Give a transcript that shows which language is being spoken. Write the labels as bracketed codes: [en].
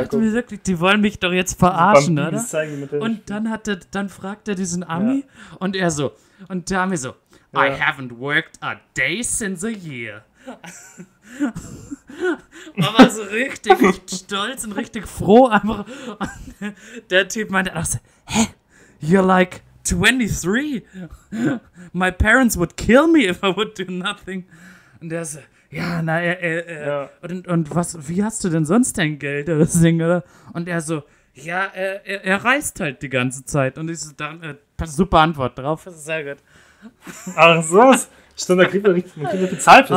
[de] Ich dachte mir wirklich, die wollen mich doch jetzt verarschen, oder? Und dann fragt er diesen Ami und er so, und der Ami so, [en] I haven't worked a day since a year. [de] Aber so richtig stolz und richtig froh einfach. Und der Typ meinte auch so, hä? [en] You're like 23. My parents would kill me if I would do nothing. [de] Und der so, ja, na, und was, wie hast du denn sonst dein Geld oder das Ding, oder? Und er so, ja, er reist halt die ganze Zeit. Und ich so, dann, super Antwort drauf, sehr gut. Ach so. Stimmt, da kriegt man richtig bezahlt fürs Reisen.